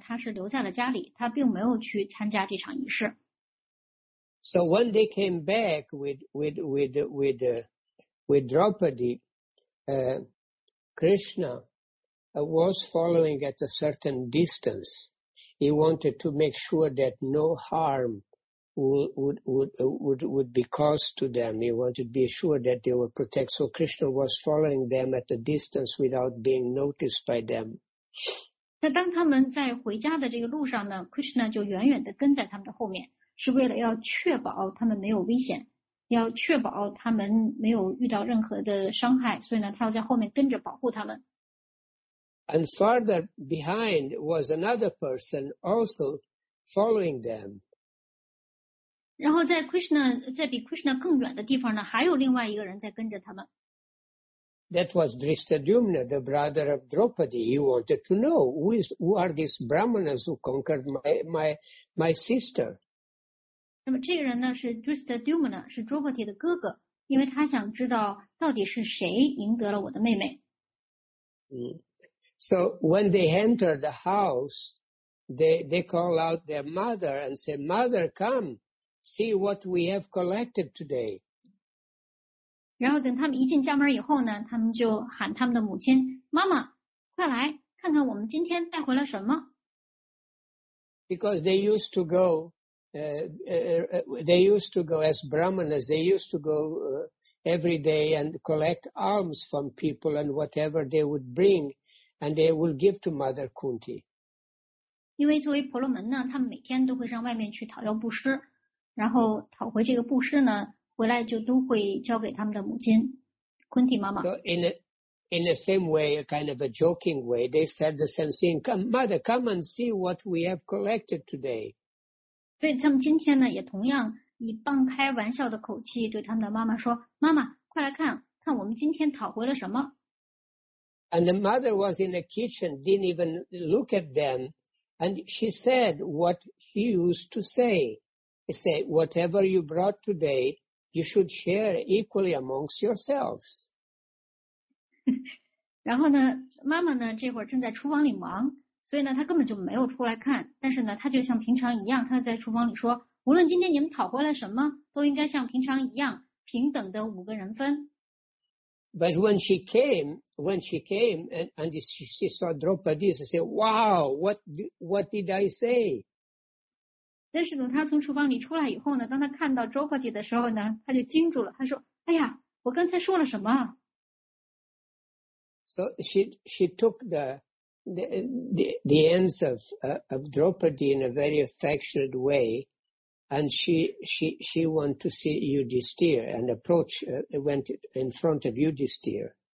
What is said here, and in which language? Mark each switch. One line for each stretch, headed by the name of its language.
Chinese: 她是留在了家里，她并没有去参加这场仪式。
English: So when they came back with Draupadi, Krishna was following at a certain distance. He wanted to make sure that no harm would be caused to them. He wanted to be sure that they were protected. So Krishna was following them at a distance without being noticed by them.
Chinese: 那当他们在回家的这个路上呢 ，Krishna 就远远的跟在他们的后面，是为了要确保他们没有危险，要确保他们没有遇到任何的伤害。所以呢，他要在后面跟着保护他们。
English: And farther behind was another person also following them.
Chinese: 然后在 Krishna, 在比 Krishna 更远的地方呢，还有另外一个人在跟着他们。
English: That was Dhrishtadyumna, the brother of Draupadi. He wanted to know, who are these brahmanas who conquered my sister?
Chinese: 那么这个人呢，是 Dhrishtadyumna, 是 Draupadi 的哥哥，因为他想知道到底是谁赢得了我的妹妹。嗯。
English: So when they enter the house, they call out their mother and say, Mother, come, see what we have collected today.
Chinese: 然后等他们一进家门以后呢，他们就喊他们的母亲，妈妈，快来看看我们今天带回了什么。
English: Because they used to go, as brahmanas, they used to go, every day and collect alms from people and whatever they would bring. And they will give to Mother Kunti.
Chinese: 因为作为婆罗门呢，他们每天都会上外面去讨要布施，然后讨回这个布施呢，回来就都会交给他们的母亲 ，Kunti 妈妈。
English: So in the same way, a kind of a joking way, they said the same thing. Come, Mother, come and see what we have collected today.
Chinese: 所以他们今天呢，也同样以半开玩笑的口气对他们的妈妈说：“妈妈，快来看看我们今天讨回了什么。”
English: And the mother was in the kitchen, didn't even look at them, and she said what she used to say. She said, whatever you brought today, you should share equally amongst yourselves.
Chinese: 然后呢，妈妈呢，这会儿正在厨房里忙，所以呢，她根本就没有出来看。但是呢，她就像平常一样，她在厨房里说，无论今天你们讨回来什么，都应该像平常一样，平等的五个人分。
English: But when she came, and she saw Draupadi, she said, wow, what did I say?
Chinese: 但是等她从厨房里出来以后呢，当她看到 Draupadi 的时候呢，她就惊住了，她说，哎呀，我刚才说了什么？
English: So she took the hands of Draupadi in a very affectionate way, and she went to see Yudhisthira and approach went in front of Yudhisthira.